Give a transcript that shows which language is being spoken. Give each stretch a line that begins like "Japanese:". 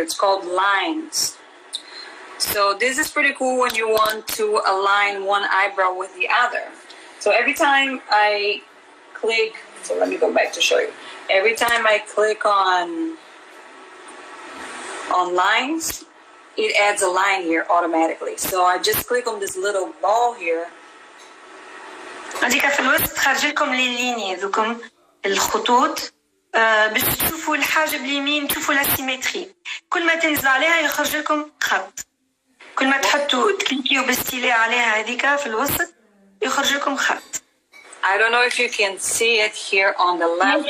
English: It's called lines. So this is pretty cool when you want to align one eyebrow with the other. So every time I click, so let me go back to show you. Every time I click on lines, it adds a line here automatically. So I just click on this little ball here.
Arabic: هذيك في الوسط تخرج لكم لي ليني ذوكم الخطوط باش تشوفوا الحاجه باليمين تشوفوا لاسيمتري كل ما تنزل عليها يخرج لكم خط كل ما تحطوا تكليكيو بالستيلي عليها هذيك في الوسط يخرج لكم خط.
English: I don't know if you can see it here on the left.